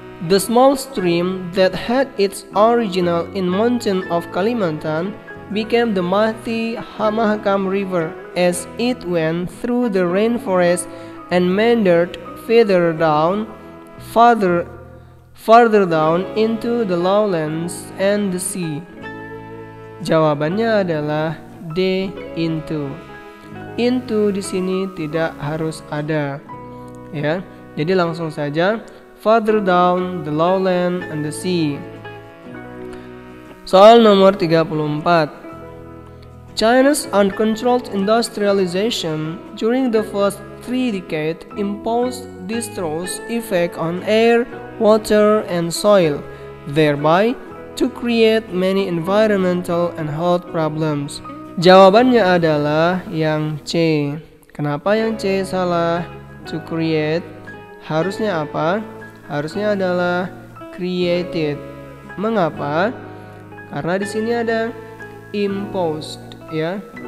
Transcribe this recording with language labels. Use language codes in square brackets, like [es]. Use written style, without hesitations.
[en] The small stream that had its original in mountain of Kalimantan became the mighty Mahakam River as it went through the rainforest and meandered further down into the lowlands and the sea. [id] Jawabannya adalah D, into. Into di sini tidak harus ada. Ya. Jadi langsung saja [en] further down the lowland and the sea. [id] Soal nomor 34. [en] China's uncontrolled industrialization during the first 3 decades imposed disastrous effect on air, water, and soil, thereby to create many environmental and health problems. [id] Jawabannya adalah yang C. Kenapa yang C salah? To create. Harusnya apa? Harusnya adalah created. Mengapa? Karena di sini ada imposed. Ya.